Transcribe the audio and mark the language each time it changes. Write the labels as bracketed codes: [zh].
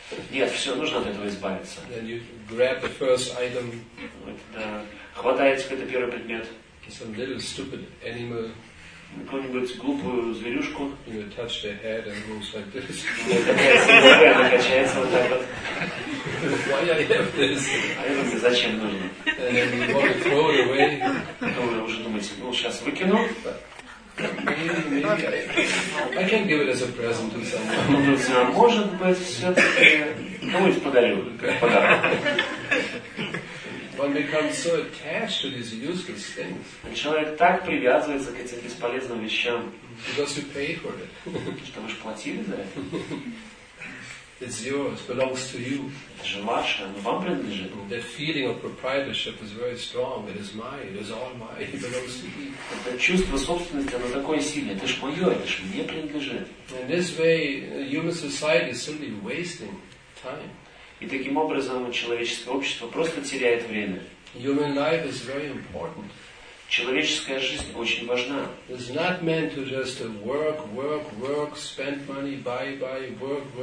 [ru] Нет, все, нужно от этого избавиться. [en] Then you grab the first item. [ru] Хватаете какой-то первый предмет. [en] Some little stupid animal. [ru] Какую-нибудь глупую зверюшку. [en] You touch their head and moves like this. [ru] Она качается вот так вот. [en] Why I have this? [ru] А это мне зачем нужно? [en] And you want to throw it away. [ru] Вы уже думаете, ну сейчас выкину. [en] Maybe I can give it as a present to someone. [ru] Ну, друзья, может быть, все-таки кому-нибудь подарю подарок. [en] One becomes so attached to these useless things. [ru] Человек так привязывается к этим бесполезным вещам. [en] Because you paid for it. [ru] Что вы же платили за это? [en] It's yours, belongs to you. [ru] Это же ваше, оно вам принадлежит. [en] That feeling of proprietorship is very strong. It is mine, it is all mine, it belongs to me. [ru] Это чувство собственности, оно такое сильное. Это ж мое, это ж мне принадлежит. [en] In this way, human society is simply wasting time. [ru] И таким образом человеческое общество просто теряет время. [en] Human life is very important. [ru] Человеческая жизнь очень важна. [en] It's not meant to just work, spend money, buy, work.